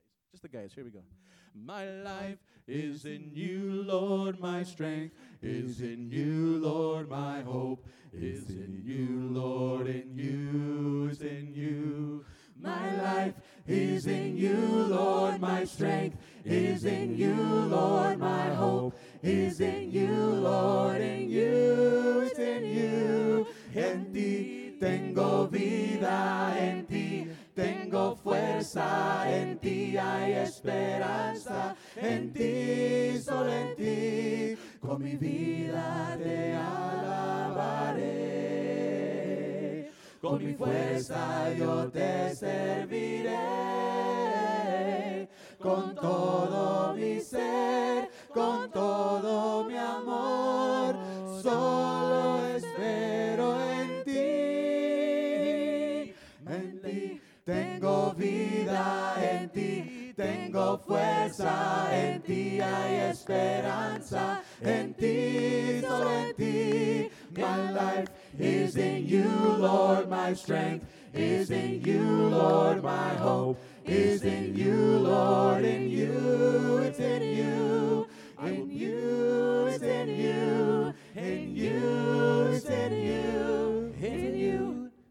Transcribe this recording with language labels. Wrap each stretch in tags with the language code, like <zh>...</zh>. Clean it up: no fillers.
<en>Just the guys. Here we go. My life is in you, Lord, my strength is in you, Lord, my hope is in you, Lord, in you, is in you. My life is in you, Lord, my strength is in you, Lord, my hope is in you, Lord, in you, is in you.</en> <es>En ti tengo vida, en ti tengo fuerza, en ti hay esperanza, en ti, solo en ti, con mi vida te alabaré. Con mi fuerza yo te serviré, con todo mi ser, con todo mi amor, solo espero en ti. En ti tengo vida, en ti tengo fuerza, en ti hay esperanza, en ti, solo en ti.</es> <en>My life is in you, Lord, my strength is in you, Lord, my hope is in you, Lord, in you, it's in you, in you, it's in you, in you, it's in you, in you.</en>